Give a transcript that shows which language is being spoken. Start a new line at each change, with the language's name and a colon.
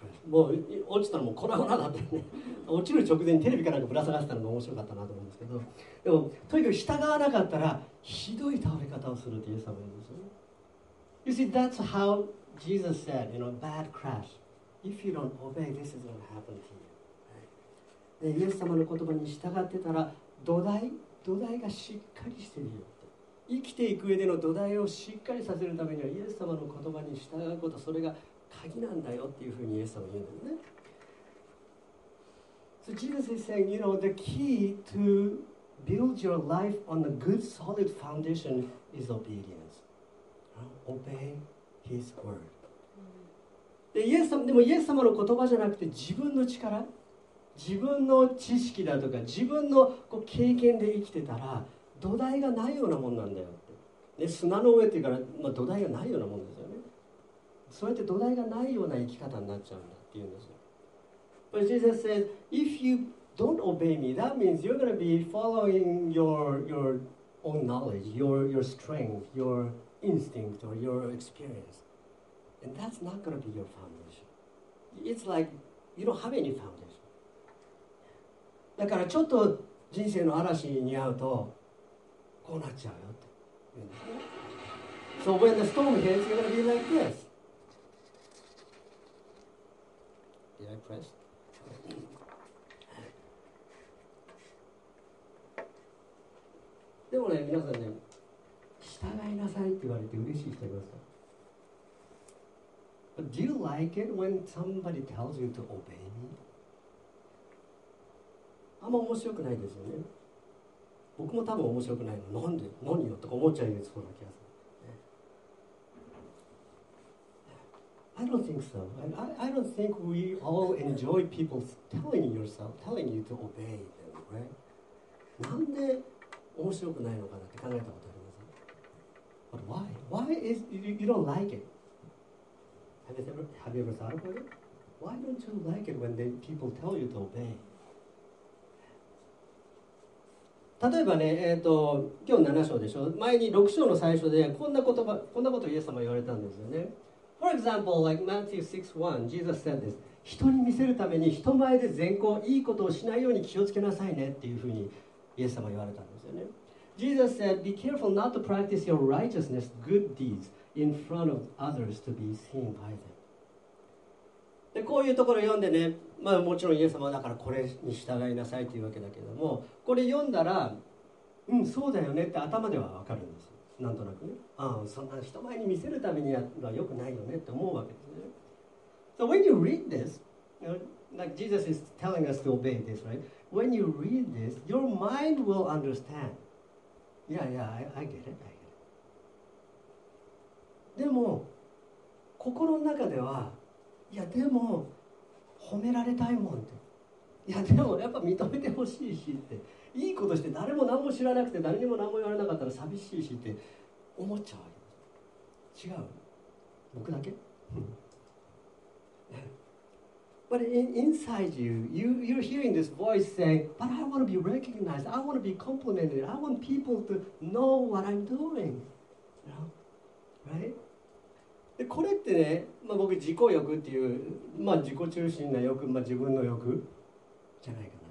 Japanese: もう落ちたらもう粉々だってね、落ちる直前にテレビかなんかぶら下がってたのが面白かったなと思うんですけど、でもとにかく従わなかったらひどい倒れ方をするってイエス様言うんですよ。
English: You see, that's how Jesus said, you know, bad crash. If you don't obey, this is what happened to you.
Japanese: でイエス様の言葉に従ってたら土台がしっかりしてるよって、生きていく上での土台をしっかりさせるためにはイエス様の言葉に従うこと、それが鍵なんだよっていうふうにイエス様は言うんだよね。
English: So Jesus is saying, you know, the key to build your life on a good solid foundation is obedience. Obey His word.
Japanese: でイエス様でもイエス様の言葉じゃなくて自分の力、自分の知識だとか自分のこう経験で生きてたら土台がないようなもんなんだよって。で砂の上っていうから、まあ、土台がないようなもんですよね。そうやって土台がないような生き方になっちゃうんだっていうんですよ。
English: But Jesus says, if you don't obey me, that means you're going to be following your own knowledge, your strength, your instinct or your experience. And that's not going to be your foundation. It's like you don't have any foundation.
Japanese: だからちょっと人生の嵐に似合うと、こうなっちゃうよって言うんですね。
English: So when the storm hits, you're going to be like this. Did I press?
Japanese: でもね、皆さんね、従いなさいって言われて嬉しい人いますか？
English: But do you like it when somebody tells you to obey me?
Japanese: あんま面白くないですよね。僕も多分面白くないの。なんで？何よ？とか思っちゃいそうな気がする。
English: I don't think so. I don't think we all enjoy people telling you to obey them, right?
Japanese: なんで面白くないのかなって考えたことありますか？
English: But why? Why is you don't like it? Have you ever thought about it? Why don't you like it when people tell you to obey?
Japanese: 例えばね、今日7章でしょ。前に6章の最初でこんなことをイエス様言われたんですよね。
English: For example, like Matthew 6:1, Jesus said this.
Japanese: 人に見せるために人前で善行、いいことをしないように気をつけなさいねっていうふうにイエス様は言われたんですよね。
English: Jesus said, be careful not to practice your righteousness, good deeds, in front of others to be seen by them.
Japanese: で、こういうところを読んでね、まあもちろんイエス様だからこれに従いなさいというわけだけども、これ読んだら、うん、そうだよねって頭ではわかるんですよ。なんとなくね、ああそんな人前に見せるためにやるのは良くないよねって思うわけですね。
English: So when you read this, you know, like Jesus is telling us to obey this, right? When you read this, your mind will understand. Yeah, I get it.
Japanese: でも心の中では、いやでも褒められたいもんって、いやでもやっぱ認めてほしいしって。いいことして誰も何も知らなくて誰にも何も言われなかったら寂しいしって思っちゃうわけです。違う？僕だけ？
English: But inside you, you're hearing this voice saying, but I want to be recognized, I want to be complimented, I want people to know what I'm doing. You know? Right?
Japanese: でこれってね、まあ、僕自己欲っていう、まあ、自己中心な欲、まあ、自分の欲じゃないかな。